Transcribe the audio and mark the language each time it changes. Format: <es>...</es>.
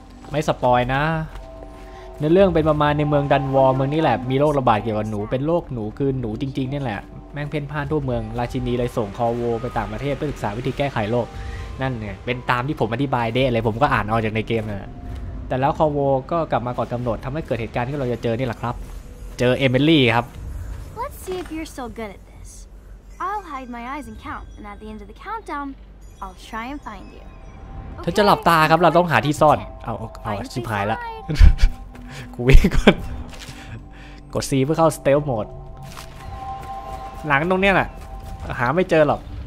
<th>ไม่สปอยนะในเรื่องเป็นประมาณในเมืองดันวอร์เมืองนี้แหละมีโรคระบาดเกี่ยวกับหนูเป็นโรคหนูคือหนูจริงๆนี่แหละแม่งเพ่นพ่านทั่วเมืองราชินีเลยส่งคอโวไปต่างประเทศเพื่อศึกษาวิธีแก้ไขโรคนั่นไงเป็นตามที่ผมอธิบายเด้อะไรผมก็อ่านออกจากในเกมน่ะแต่แล้วคอโวก็กลับมาก่อนกำหนดทำให้เกิดเหตุการณ์ที่เราจะเจอนี่แหละครับเจอเอเมลี่ครับ</th> <en>Let's see if you're still goodI'll hide my eyes and count, and at the end of the countdown, I'll try and find you.</en> <th>เธอจะหลับตาครับเราต้องหาที่ซ่อนเอาชิบหายละกูวิ่งก่อนกด C เพื่อเข้า Stealth Mode หลังตรงเนี้ยน่ะหาไม่เจอหรอก</th>